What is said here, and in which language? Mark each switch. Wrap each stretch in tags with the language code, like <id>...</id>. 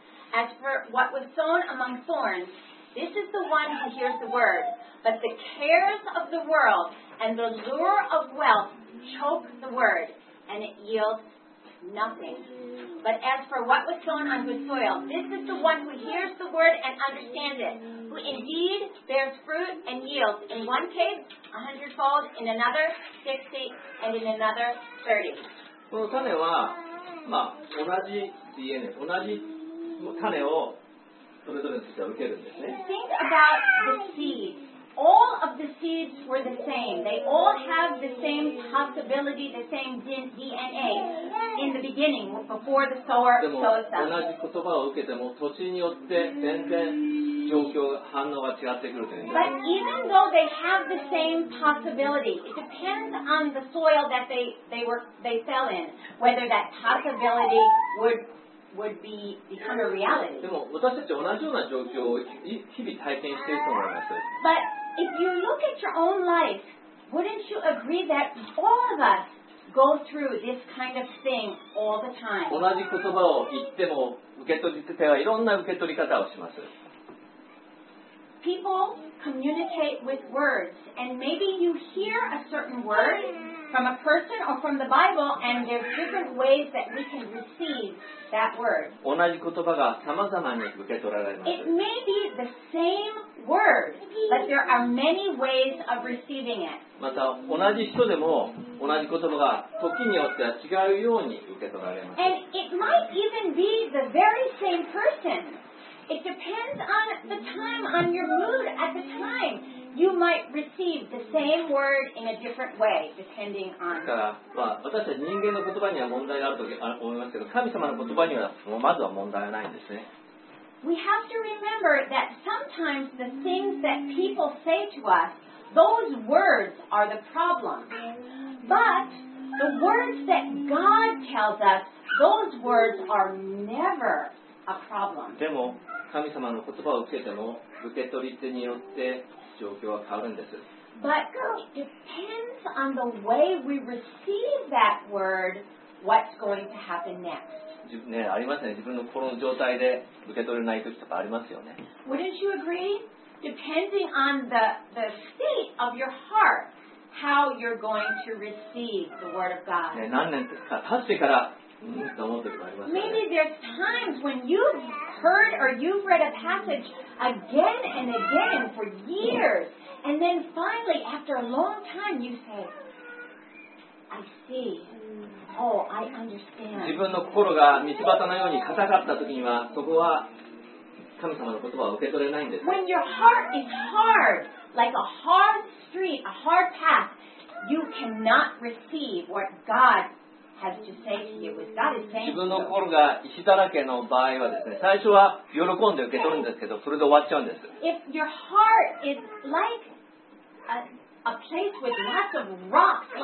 <en>As for what was sown among thorns, this is the one who hears the word, but the cares of the world and the lure of wealth choke the word, and it yields nothing. But as for what was sown on good soil, this is the one who hears the word and understands it, who indeed bears fruit and yields in one case 100-fold, in another 60, and in another 30.</en> <ja>この種は、まあ、同じ DNA、同じ種をそれぞれの土は受けるんですね。</ja> <en>Think about the seeds. All of the seeds were the same. They all have the same possibility, the same DNA in the beginning, before the sower sows them.</en> <ja>でも、同じ言葉を受けても、土地によって全然状況、反応が違ってくるというんです。</ja> <en>But even though they have the same possibility, it depends on the soil that they fell in, whether that possibility would become a reality.</en> <ja>でも私たちは同じような状況を日々体験していると思います。</ja> <en>But if you look at your own life, wouldn't you agree that all of us go through this kind of thing all the time?</en> <ja>同じ言葉を言っても受け取り手はいろんな受け取り方をします。</ja> <en>People communicate with words, and maybe you hear a certain word from a person or from the Bible, and there's different ways that we can receive that word.</en> <ja>同じ言葉が様々に受け取られます。</ja> <en>It may be the same word, but there are many ways of receiving it.</en> <ja>また同じ人でも同じ言葉が時によっては違うように受け取られます。</ja> <en>And it might even be the very same person. It depends on the time, on your mood at the time. You might receive the same word in a different way, depending on.</en> <ja>だから、まあ、私たち人間の言葉には問題があると思いますけど、神様の言葉にはまずは問題はないんですね。</ja> <en>We have to remember that sometimes the things that people say to us, those words are the problem. But the words that God tells us, those words are never a problem.</en> <ja>でも神様の言葉を受けても受け取り手によって状況は変わるんです。</ja> <en>But it depends on the way we receive that word, what's going to happen next.</en> <ja>ね、ありますね。自分の心の状態で受け取れない時とかありますよね。</ja> <en>Wouldn't you agree? Depending on the state of your heart, how you're going to receive the word of God.</en> <ja>ね、何年か経ってから。ね、</ja> <en>Maybe there's times when you've heard or you've read a passage again and again for years, and then finally, after a long time, you say, I see. Oh, I understand.</en> <ja>自分の心が道端のように硬かった時には、そこは神様の言葉を受け取れないんです。</ja> <en>When your heart is hard, like a hard street, a hard path, you cannot receive what God has to say to you with God is saying.</en> <ja>自分の心が石だらけの場合はですね、最初は喜んで受け取るんですけど、それで終わっちゃうんです。</ja> <en>If your heart is like a place with lots of rocks.</en>